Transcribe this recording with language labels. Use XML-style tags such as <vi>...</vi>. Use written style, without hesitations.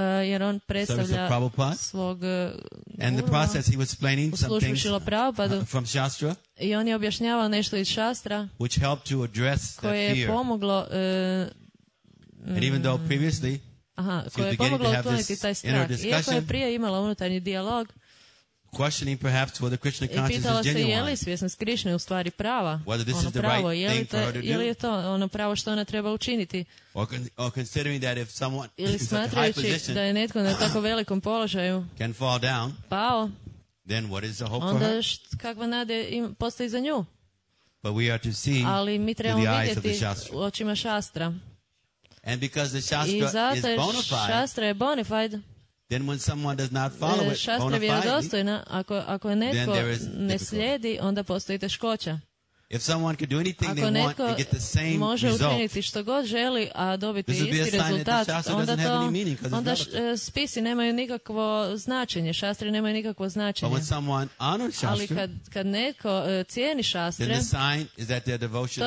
<hr>Jer on predstavlja svog</hr> <en>and the process he was explaining something from Shastra.</en> <hr>I on je objašnjavao nešto iz Shastra,</hr> <en>which helped to address that fear.</en> <hr>Koje je pomoglo</hr> <en>and even though previously,</en> <hr>koje je pomoglo otkloniti taj strah. Iako je prije imala unutarnji dijalog,</hr> <en>questioning perhaps whether Krishna consciousness is genuine.</en> <hr>Je li svjesnost Krišne u stvari prava?</hr> <en>Whether this</en> <hr>ono</hr> <en>is the right</en> <hr>pravo,</hr> <en>thing for her to do?</en> <hr>Ili je to ono pravo što ona treba učiniti?</hr> <en>Or considering that if someone</en> <hr>ili</hr> <en>in such a high position</en> <hr>da je netko na tako velikom položaju</hr> <en>can fall down,</en> <hr>pao,</hr> <en>then what is the hope</en> <hr>onda</hr> <en>for her?</en> <hr>Kakva nade postoji za nju?</hr> <en>But we are to see</en> <hr>ali mi trebamo</hr> <en>through the</en> <hr>vidjeti</hr> <en>eyes of the Shastra.</en> <hr>U očima Shastra.</hr> <en>And because the Shastra is bona fide,</en> <hr>Shastra je bona fide,</hr> <en>then when someone does not follow it,</en> <hr>Shastra je vjerodostojna, ako je netko ne slijedi, onda postoji teškoća.</hr> <en>If someone could do anything they want and get the same</en> <hr>može</hr> <en>result,</en> <hr>učiniti što god želi, a dobiti isti rezultat, onda to, onda spisi nemaju nikakvo značenje, Shastre nemaju nikakvo značenje.</hr> <en>But when someone honors Shastra,</en> <hr>ali kad netko cijeni Shastre,</hr> <en>then the sign is that their devotion</en>